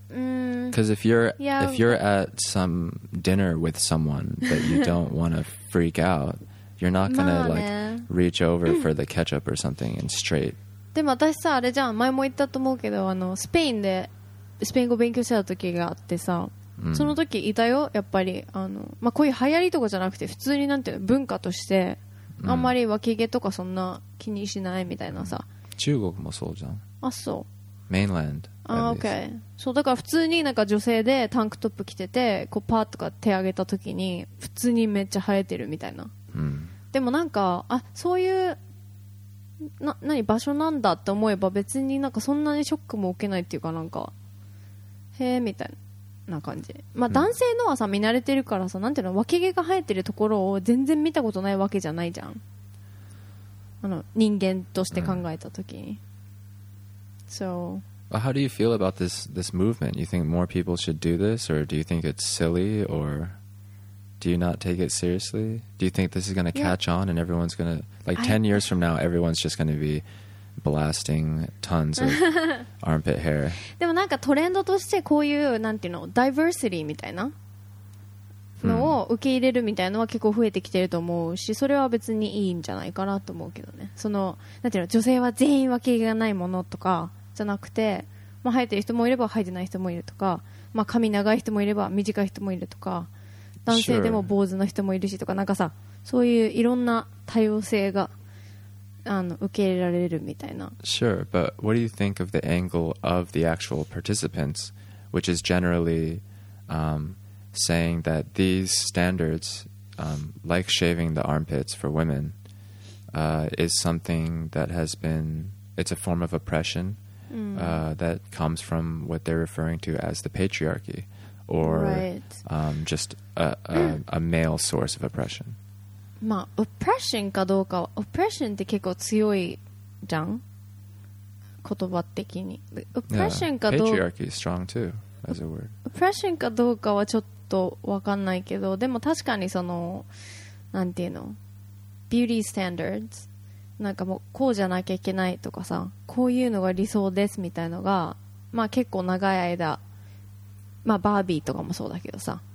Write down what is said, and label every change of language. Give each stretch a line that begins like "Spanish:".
English: Because if you're at some dinner with someone that you don't want to freak out, you're not gonna like reach over for the ketchup or something and straight.
Japanese: でも私さ、あれじゃん、前も言ったと思うけど、スペインでスペイン語勉強してた時があってさ、その時いたよ、やっぱりまあ、こういう流行りとかじゃなくて普通になんていうの、文化としてあんまり脇毛とかそんな気にしないみたいなさ、中国もそうじゃん。あ、そう、メインランド。あ、オーケー。そうだから普通になんか女性でタンクトップ着ててこうパーとか手上げた時に普通にめっちゃ生えてるみたいな、でもなんか、あ、そういうな、何場所なんだって思えば別になんかそんなにショックも受けないっていうか、なんかへーみたいな感じ。まあ男性のはさ、見慣れてるからさ、なんていうの、脇毛が生えてるところを全然見たことないわけじゃないじゃん、人間として考えた時に。
English: So how do you feel about this movement? You think more people should do this, or do you think it's silly, or do you not take it seriously? Do you think this is going to catch on and everyone's going to... Like 10 years from now, everyone's just going to be blasting tons of armpit hair.
Japanese: でもなんかトレンドとしてこういうなんていうの、ダイバーシティみたいなのを受け入れるみたいなのは結構増えてきてると思うし、それは別にいいんじゃないかなと思うけどね。そのなんていうの、女性は全員脇毛がないものとかじゃなくて、まあ、生えてる人もいれば生えてない人もいるとか、まあ、髪長い人もいれば短い人もいるとか、男性でも坊主の人もいるしとか、なんかさ、そういういろんな多様性が受け入れられるみたいな。
English: Sure, but what do you think of the angle of the actual participants, which is generally saying that these standards, like shaving the armpits for women, is something that has been, it's a form of oppression, that comes from what they're referring to as the patriarchy, or just a male source of oppression.
Japanese: まあ、オプレッションかどうかは、オプレッションって結構強いじゃん、言葉的に。オプレッションかどうか、
English: Patriarchy is strong too, as a word.
Japanese: オプレッションかどうかはちょっとわかんないけど、でも確かにそのなんていうの、ビューティースタンダードなんかもうこうじゃなきゃいけないとかさ、こういうのが理想ですみたいのが、まあ結構長い間、まあバービーとかもそうだけどさ、